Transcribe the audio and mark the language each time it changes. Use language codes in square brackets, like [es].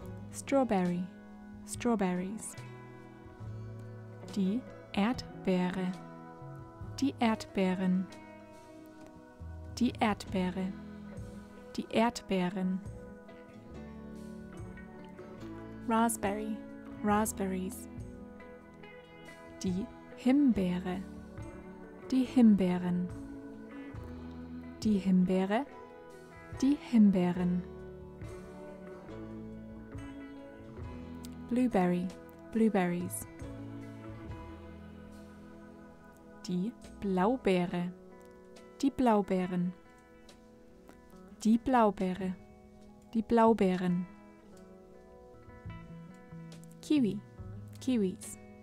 [en] Strawberry, strawberries. [de] Die Erdbeere, die Erdbeeren. Die Erdbeere, die Erdbeeren. [en] Raspberry, raspberries. [de] Die Himbeere, die Himbeeren. Die Himbeere, die Himbeeren. [en] Blueberry, blueberries. [de] Die Blaubeere, die Blaubeeren. Die Blaubeere, die Blaubeeren. [en] Kiwi, kiwis.